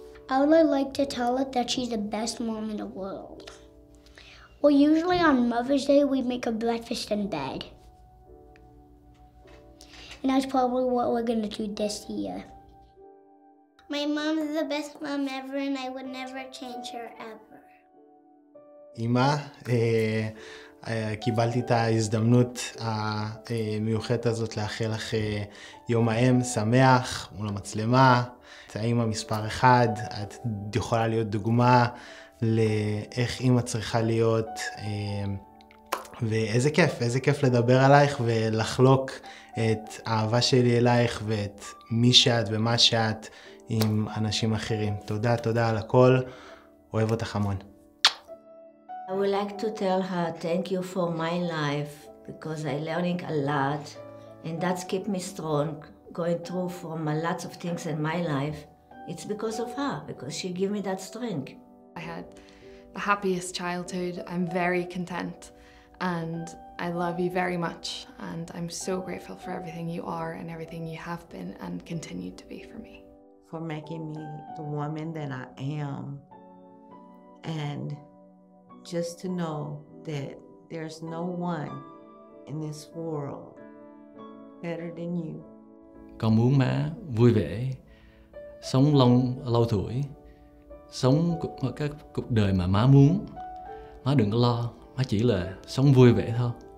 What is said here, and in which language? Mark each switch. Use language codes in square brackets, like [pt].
[en] I would like to tell her that she's the best mom in the world. Well, usually on Mother's Day, we make a breakfast in bed. And that's probably what we're gonna do this year. My mom is the best mom ever, and I would never change her ever. [he] Ima, קיבלתי את ההזדמנות המיוחדת הזאת לאחל לך יום האם שמח מול המצלמה. את האמא מספר אחד, את יכולה להיות דוגמה לאיך אמא צריכה להיות. ואיזה כיף, איזה כיף לדבר עלייך ולחלוק את האהבה שלי אלייך ואת מי שאת ומה שאת עם אנשים אחרים. תודה, תודה על הכל. אוהב אותך המון. [en] I would like to tell her thank you for my life, because I'm learning a lot, and that's keep me strong going through from lots of things in my life. It's because of her, because she gave me that strength. I had the happiest childhood. I'm very content, and I love you very much, and I'm so grateful for everything you are and everything you have been and continue to be for me. For making me the woman that I am, and just to know that there's no one in this world better than you. [vi] Cảm ơn mẹ, vui vẻ. sống lâu tuổi, sống cái cuộc đời mà má muốn. Má đừng có lo, má chỉ là sống vui vẻ thôi.